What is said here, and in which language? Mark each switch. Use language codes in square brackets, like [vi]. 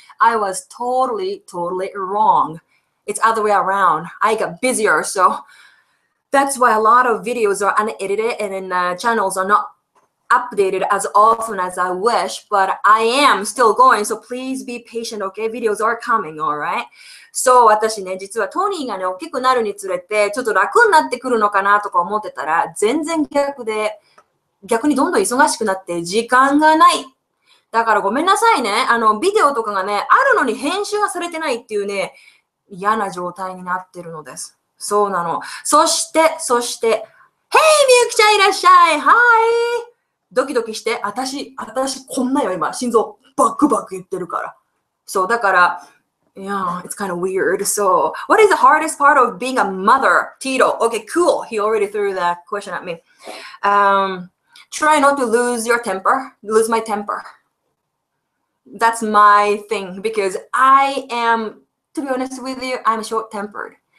[en] I was totally, totally wrong. It's other way around. I got busier, so that's why a lot of videos are unedited and channels are not updated as often as I wish, but I am still going, so please be patient, okay? Videos are coming, all right? [ja] そう、私ね、実はトニーがね、大きくなるにつれて、ちょっと楽になってくるのかなとか思ってたら、全然逆で、逆にどんどん忙しくなって、時間がない。だからごめんなさいね、ビデオとかがね、あるのに編集がされてないっていうね、嫌な状態になってるのです。そうなの。そして、Hey! みゆきちゃんいらっしゃい !Hi! ドキドキして、私こんなよ今、心臓バクバク言ってるから。そう、だから、 [en] Yeah, it's kind of weird. So, what is the hardest part of being a mother, Tito? Okay, cool. He already threw that question at me. Try not to lose your temper. Lose my temper. That's my thing, because I am, to be honest with you, I'm short-tempered.